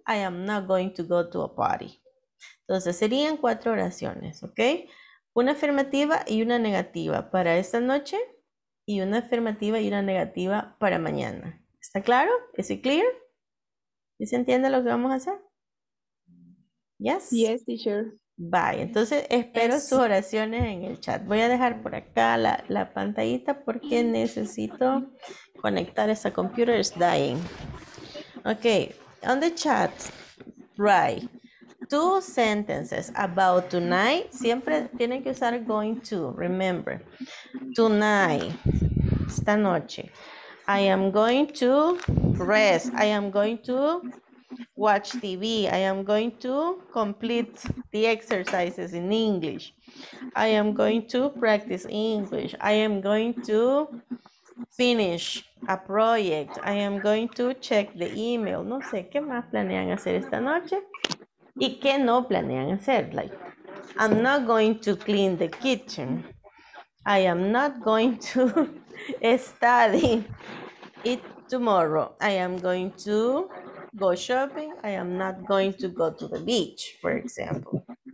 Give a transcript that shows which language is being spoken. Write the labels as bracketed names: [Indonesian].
[English] I am not going to go to a party. [Spanish] Entonces, serían cuatro oraciones, ¿ok? Una afirmativa y una negativa para esta noche y una afirmativa y una negativa para mañana. ¿Está claro? ¿Es clear? ¿Y se entiende lo que vamos a hacer? [English] ¿Yes? Yes, teacher. Bye. [Spanish] Entonces, espero yes. Sus oraciones en el chat. Voy a dejar por acá la pantallita porque necesito conectar esa computer. [English] It's dying. Ok. On the chat. Right. Two sentences about tonight. [Spanish] Siempre tienen que usar [English] going to. Remember, tonight, [Spanish] esta noche. [English] I am going to rest. I am going to watch TV. I am going to complete the exercises in English. I am going to practice English. I am going to finish a project. I am going to check the email. [Spanish] No sé, ¿qué más planean hacer esta noche? ¿Y qué no planean hacer? [English] Like, I'm not going to clean the kitchen. I am not going to study it tomorrow. I am going to go shopping, I am not going to go to the beach, for example.